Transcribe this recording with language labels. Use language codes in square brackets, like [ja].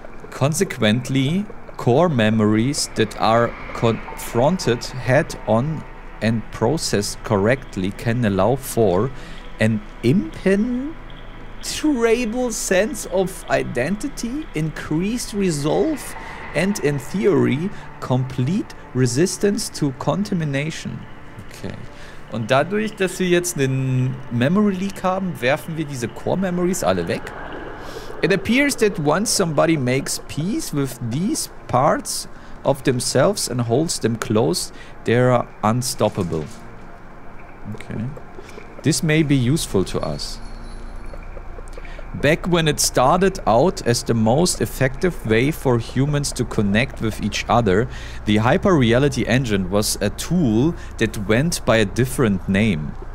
[en] Consequently, core memories that are confronted head-on and processed correctly can allow for an impenetrable sense of identity, increased resolve, and in theory, complete resistance to contamination. Okay. [de] Und dadurch, dass wir jetzt einen Memory Leak haben, werfen wir diese Core Memories alle weg. [en] It appears that once somebody makes peace with these parts of themselves and holds them close, they are unstoppable. Okay. This may be useful to us. Back when it started out as the most effective way for humans to connect with each other, the Hyperreality Engine was a tool that went by a different name.